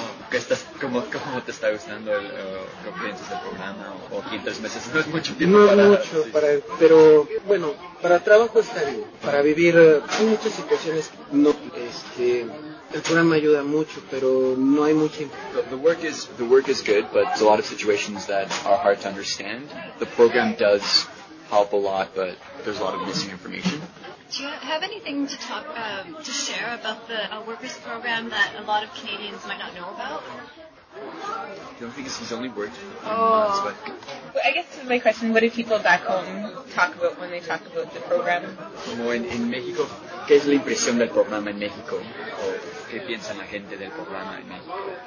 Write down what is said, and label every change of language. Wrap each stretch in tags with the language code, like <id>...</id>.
<es>¿Qué estás, cómo te está gustando, qué piensas del programa? ¿O aquí en 3 meses no es mucho tiempo? No mucho, pero bueno, para trabajo está bien, para vivir hay muchas situaciones no, el programa ayuda mucho, pero no hay mucho.</es> <en>The work is good, but there's a lot of situations that are hard to understand. The program does help a lot, but there's a lot of missing information. Do you have anything to talk to share about the workers program that a lot of Canadians might not know about? The only thing is he's only worked for months, but I guess my question, what do people back home talk about when they talk about the program?</en> <es>Como en México, ¿qué es la impresión del programa en México? ¿O qué piensa la gente del programa en México?</es>